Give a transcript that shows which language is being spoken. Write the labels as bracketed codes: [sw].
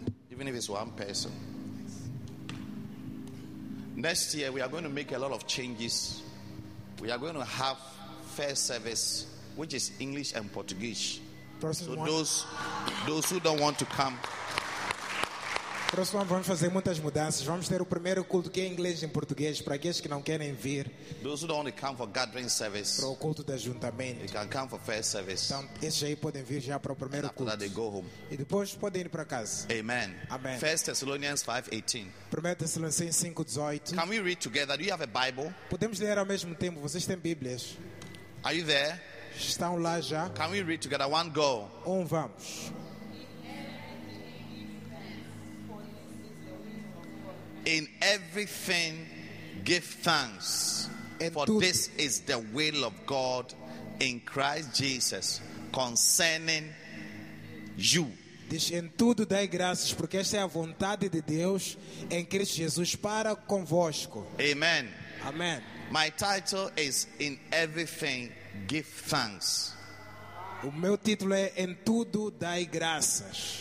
[en] Even if it's one person. Next year, we are going to make a lot of changes. We are going to have first service, which is English and Portuguese. [pt] Próximo [en] so those who don't want to come. [pt] Próximo ano vamos fazer muitas mudanças. Vamos ter o primeiro culto que é inglês e português para aqueles que não querem vir. [en] Those who don't want to come for gathering service. [pt] Para o culto de ajuntamento. [en] They can come for first service. [pt] Então esses aí podem vir já para o primeiro [en] after [pt] culto. [en] That they go home. [pt] E depois podem ir para casa. [en] Amen. Amen. 1 Thessalonians 5:18. 1 Thessalonians 5:18. Can we read together? Do you have a Bible? [pt] Podemos ler ao mesmo tempo. Vocês têm Bíblias? [en] Are you there? [pt] Estão lá já? [en] Can we read together? One go. [pt] Vamos. [en] In everything, give thanks, for this is the will of God in Christ Jesus concerning you. [pt] Diz, em tudo dai graças, porque esta é a vontade de Deus em Cristo Jesus para convosco. [en] Amen. Amen. My title is In Everything, Give Thanks. [pt] O meu título é Em tudo dai graças.